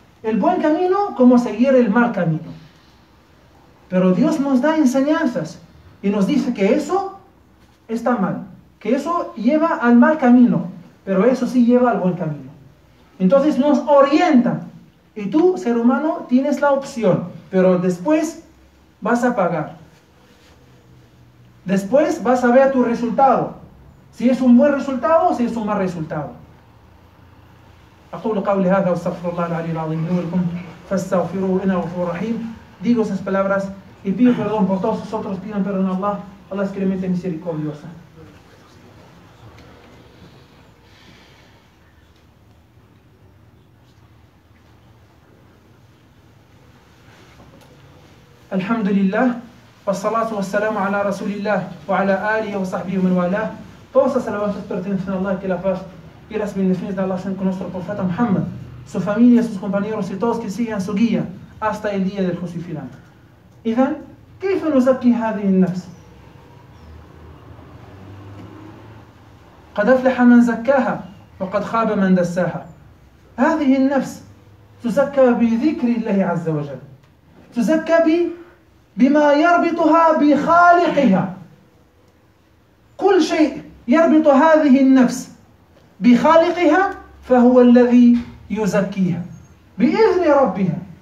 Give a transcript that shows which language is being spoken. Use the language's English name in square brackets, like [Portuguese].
[Spanish] el buen camino como seguir el mal camino. Pero Dios nos da enseñanzas y nos dice que eso está mal, que eso lleva al mal camino, pero eso sí lleva al buen camino. Entonces nos orienta y tú, ser humano, tienes la opción, pero después vas a pagar. Después vas a ver tu resultado. Si es un buen resultado o si es un mal resultado. [Arabic] أقول قولي هذا واستغفر الله العلي العظيم لي ولكم فاستغفروه إنه غفور رحيم. [Spanish] Digo esas palabras y pido perdón por todos vosotros, pidan perdón a Allah, Allah es clemente misericordiosa. [Arabic] الحمد لله والصلاة والسلام على رسول الله وعلى آله وصحبه من والاه. [Spanish] Todas las alabanzas pertenecen a Allah, que la paz y las bendiciones de Allah sean con nuestro profeta Muhammad, su familia, sus compañeros y todos que sigan su guía hasta el día del juicio final. Idan, ¿qué fue los aquí hadi en nas? [Arabic] قد افلح من زكاها وقد خاب من دساها. هذه النفس تزكى بذكر الله عز وجل. تزكى بما يربطها بخالقها. كل شيء يربط هذه النفس بخالقها فهو الذي يزكيها بإذن ربها.